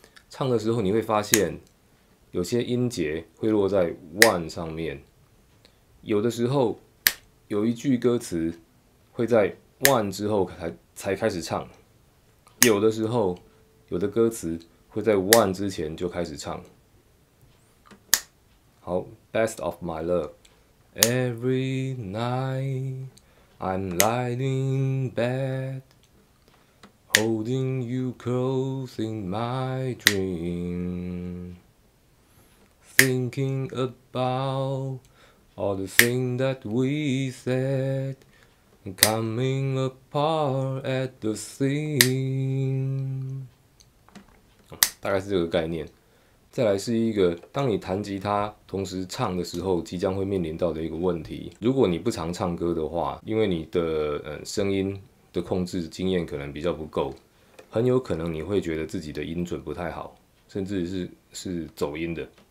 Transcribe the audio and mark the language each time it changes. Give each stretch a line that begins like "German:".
Chinese: 唱的时候你会发现，有些音节会落在 one 上面，有的时候有一句歌词会在 one 之后才开始唱，有的时候有的歌词会在 one 之前就开始唱。
English: 好，Best of my love, every night I'm lying in bed, holding you close in my dream, thinking about all the things that we said. Coming apart at the seams，
Chinese: 大概是这个概念。再来是一个，当你弹吉他同时唱的时候，即将会面临到的一个问题。如果你不常唱歌的话，因为你的声音的控制经验可能比较不够，很有可能你会觉得自己的音准不太好，甚至是走音的。